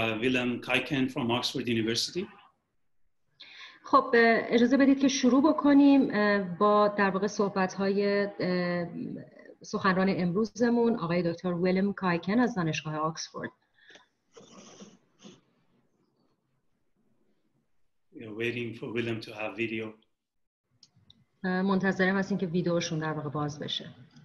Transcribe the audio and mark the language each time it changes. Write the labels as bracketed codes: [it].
[en] Willem Kuyken from Oxford University. [fa] خب اجازه بدید که شروع بکنیم با در واقع صحبت‌های سخنران امروزمون، آقای دکتر ویلم کایکن از دانشگاه آکسفورد. [en] We're waiting for Willem to have video. [fa] منتظریم هستیم که ویدیوشون در واقع باز بشه.